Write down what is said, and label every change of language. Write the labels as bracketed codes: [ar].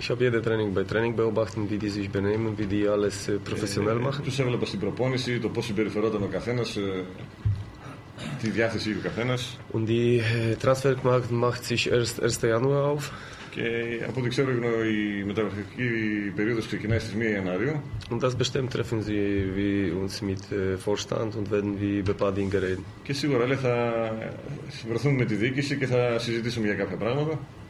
[de] Ich habe jede Training by Training beobachten, wie die sich benehmen, wie die alles professionell machen. [el] Τους έβλεπα στην προπόνηση, το πώς συμπεριφερόταν ο καθένας. Τη διάθεση του καθένας. [de] Und die Transfermarkt macht sich erst 1. Januar auf. [el] Και από ό,τι ξέρω, η μεταγραφική περίοδος ξεκινάει στις 1 Ιανουαρίου. [de] Und das bestimmt treffen Sie wie uns mit Vorstand und werden wir über ein paar Dinge reden. [el] Και σίγουρα λέει, θα συμβρεθούμε με τη διοίκηση και θα συζητήσουμε για κάποια πράγματα.